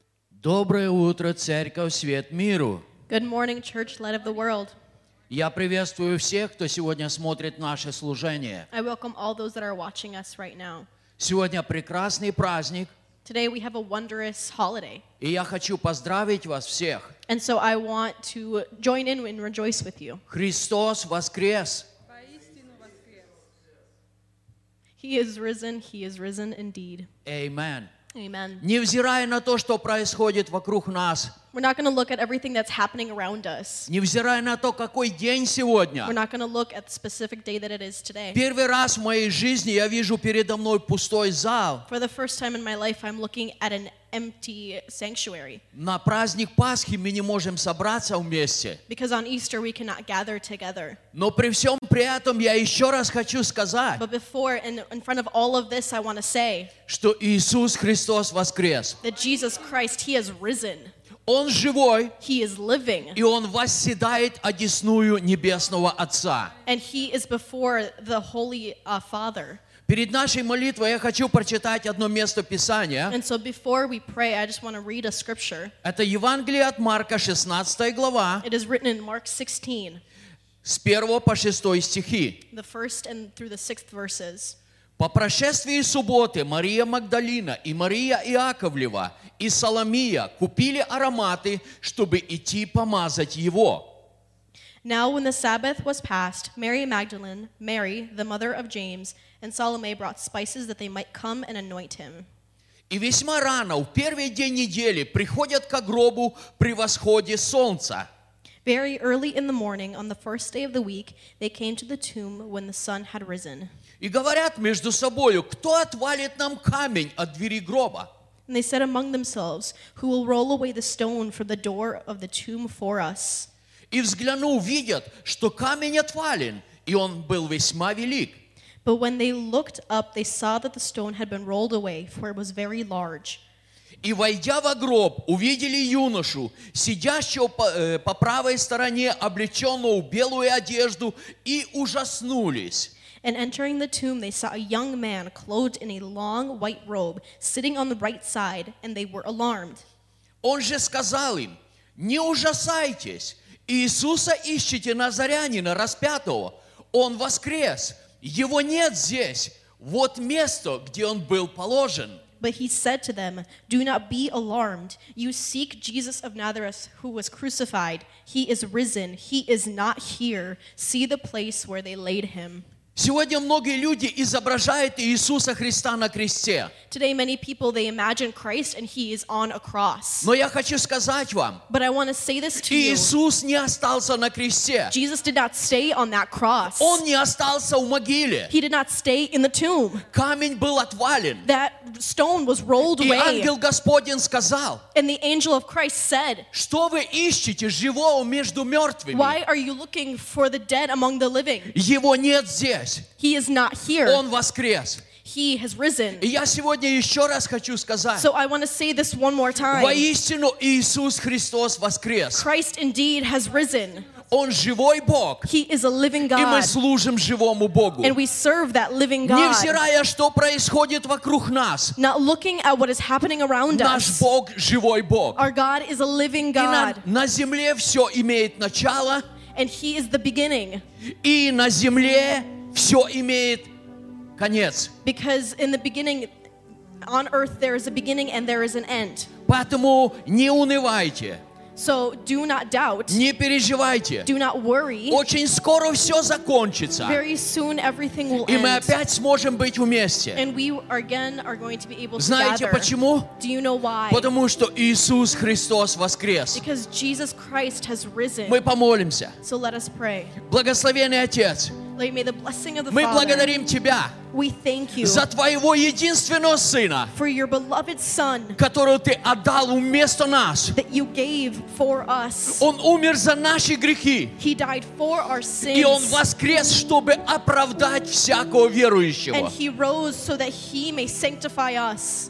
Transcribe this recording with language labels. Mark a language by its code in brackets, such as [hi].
[ru] Доброе утро, Церковь Свет Миру. [en] Good morning, Church Light of the World. [ru] Я приветствую всех, кто сегодня смотрит наше служение. [en] I welcome all those that are watching us right now. [ru] Сегодня прекрасный праздник. [en] Today we have a wondrous holiday. [ru] И я хочу поздравить вас всех. [en] And so I want to join in and rejoice with you. [ru] Христос воскрес. Поистину воскрес. [en] He is risen indeed. Amen. Amen. [ru] Невзирая на то, что происходит вокруг нас. [en] We're not going to look at everything that's happening around us. [ru] Невзирая на то, какой день сегодня. [en] We're not going to look at the specific day that it is today. [ru] Первый раз в моей жизни я вижу передо мной пустой зал. [en] For the first time in my life, I'm looking at an empty sanctuary. [ru] На праздник Пасхи мы не можем собраться вместе. [en] Because on Easter we cannot gather together. [ru] Но при всем при этом я еще раз хочу сказать. [en] But before, in front of all of this, I want to say. [ru] Что Иисус Христос воскрес. [en] That Jesus Christ, He has risen. [ru] Он живой. [en] He is living. [ru] И Он восседает одесную Небесного Отца. [en] And He is before the Holy Father. [ru] Перед нашей молитвой я хочу прочитать одно место Писания. [en] And so before we pray, I just want to read a scripture. [ru] Это Евангелие от Марка, 16 глава. [en] It is written in Mark 16. [ru] С 1 по 6 стихи. [en] The first and through the sixth verses. [ru] По прошествии субботы Мария Магдалина и Мария Иаковлева и Соломия купили ароматы, чтобы идти помазать его. [en] Now when the Sabbath was passed, Mary Magdalene, Mary, the mother of James, and Salome brought spices that they might come and anoint him. [ru] И весьма рано, в первый день недели, приходят ко гробу при восходе солнца. [en] Very early in the morning, on the first day of the week, they came to the tomb when the sun had risen. [ru] И говорят между собою, кто отвалит нам камень от двери гроба? [en] And they said among themselves, who will roll away the stone from the door of the tomb for us? [ru] И взглянув, видят, что камень отвален, и он был весьма велик. [en] But when they looked up, they saw that the stone had been rolled away, for it was very large. [ru] И войдя во гроб, увидели юношу, сидящего по правой стороне, облеченного в белую одежду, и ужаснулись. [en] And entering the tomb, they saw a young man clothed in a long white robe, sitting on the right side, and they were alarmed. [ru] Он же сказал им, не ужасайтесь, Иисуса ищите Назарянина распятого. Он воскрес, его нет здесь, вот место, где он был положен. [en] But he said to them, do not be alarmed. You seek Jesus of Nazareth, who was crucified. He is risen. He is not here. See the place where they laid him. [ru] Сегодня многие люди изображают Иисуса Христа на кресте. [en] Today many people, they imagine Christ and he is on a cross. [ru] Но я хочу сказать вам, [en] but I want to say this to [ru] Иисус [en] you. [ru] Не остался на кресте. [en] Jesus did not stay on that cross. [ru] Он не остался в могиле. [en] He did not stay in the tomb. [ru] Камень был отвален. [en] That stone was rolled away. [ru] И ангел Господень сказал, [en] and the angel of Christ said, [ru] что вы ищете живого между мертвыми? [en] Why are you looking for the dead among the living? [ru] Его нет здесь. [en] He is not here. [ru] Он воскрес. [en] He has risen. [ru] И я сегодня еще раз хочу сказать. [en] So I want to say this one more time. [ru] Воистину Иисус Христос воскрес. [en] Christ indeed has risen. [ru] Он живой Бог. [en] He is a living God. [ru] И мы служим живому Богу. [en] And we serve that living God. [ru] Невзирая, что происходит вокруг нас. [en] Not looking at what is happening around [ru] наш Наш Бог живой Бог. [en] Our God is a living God. [ru] И на земле все имеет начало. [en] And He is the beginning. [ru] И на земле все имеет конец. [en] Because in the beginning, on earth there is a beginning and there is an end. [ru] Поэтому не унывайте. [en] So do not doubt. [ru] Не переживайте. [en] Do not worry. [ru] Очень скоро все закончится. [en] Very soon everything will [ru] и [en] end. [ru] И мы опять сможем быть вместе. [en] And we again are going to be able to [ru] знаете [en] gather. [ru] Почему? [en] Do you know why? [ru] Потому что Иисус Христос воскрес. [en] Because Jesus Christ has risen. [ru] Мы помолимся. [en] So let us pray. [ru] Благословенный Отец. [en] Lay me the blessing of the [ru] мы [en] Father. [ru] Благодарим Тебя [en] we thank you [ru] за Твоего единственного Сына, [en] for your beloved Son, [ru] которого Ты отдал вместо нас. [en] That you gave for us. [ru] Он умер за наши грехи. [en] He died for our sins. [ru] И Он воскрес, чтобы оправдать всякого верующего. [en] And He rose so that He may sanctify us.